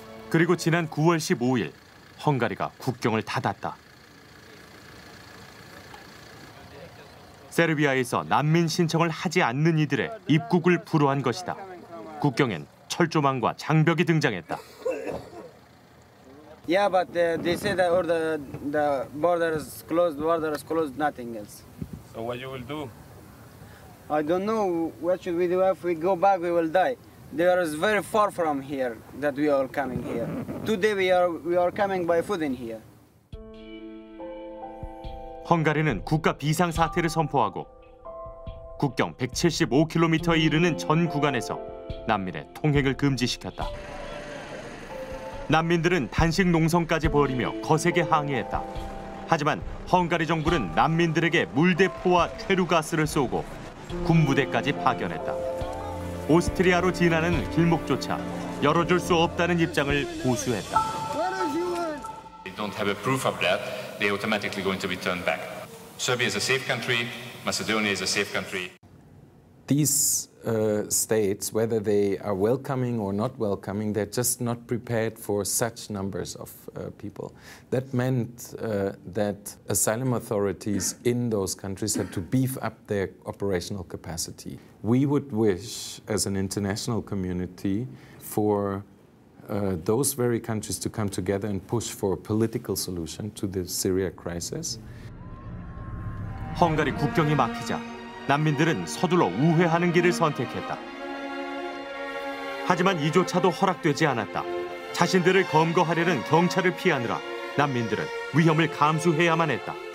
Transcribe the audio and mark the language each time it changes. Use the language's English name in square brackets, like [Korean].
[Korean] 그리고 지난 9월 15일 헝가리가 국경을 닫았다. 세르비아에서 난민 신청을 하지 않는 이들의 입국을 불허한 것이다. 국경엔 철조망과 장벽이 등장했다. [English] Yeah, but they say that all the borders closed, borders closed, nothing else. So what you will do? I don't know what should we do. If we go back, we will die. There is very far from here that we are coming here. Today we are coming by foot in here. [Korean] 헝가리는 국가 비상 사태를 선포하고 국경 175km에 이르는 전 구간에서 난민의 통행을 금지시켰다. 난민들은 단식 농성까지 벌이며 거세게 항의했다. 하지만 헝가리 정부는 난민들에게 물대포와 최루가스를 쏘고 군부대까지 파견했다. 오스트리아로 지나는 길목조차 열어줄 수 없다는 입장을 고수했다. [English] Don't have a proof of that, they automatically going to be turned back. Serbia is a safe country. Macedonia is a safe country. These states, whether they are welcoming or not welcoming, they're just not prepared for such numbers of people. That meant that asylum authorities in those countries had to beef up their operational capacity. We would wish, as an international community, for those very countries to come together and push for a political solution to the Syria crisis. [Korean] 헝가리 국경이 막히자 난민들은 서둘러 우회하는 길을 선택했다. 하지만 이조차도 허락되지 않았다. 자신들을 검거하려는 경찰을 피하느라 난민들은 위험을 감수해야만 했다.